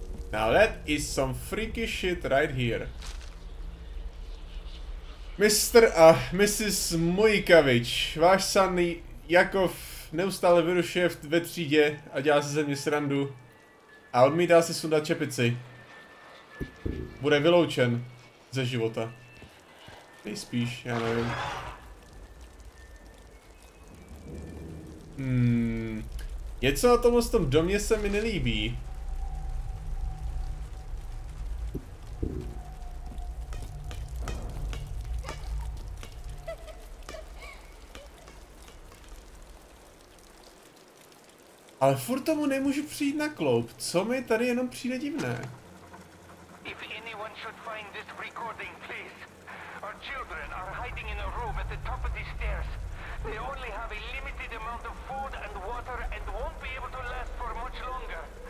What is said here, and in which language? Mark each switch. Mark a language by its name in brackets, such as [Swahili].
[English] Now that is some freaky shit right here. Mr. a Mrs. [Czech] Mojkavič, váš san Jakov neustále vyrušuje ve třídě a dělá si ze mě srandu a odmítá si sundat čepici. Bude vyloučen ze života. Nejspíš, já nevím. Něco na tomhle tom domě se mi nelíbí. Ale furt tomu nemůžu přijít na kloub. Co mi tady jenom přijde divné? [English] If anyone should find this recording, please. Our children are hiding in a room at the top of the stairs. They only have a limited amount of food and water and won't be able to last for much longer.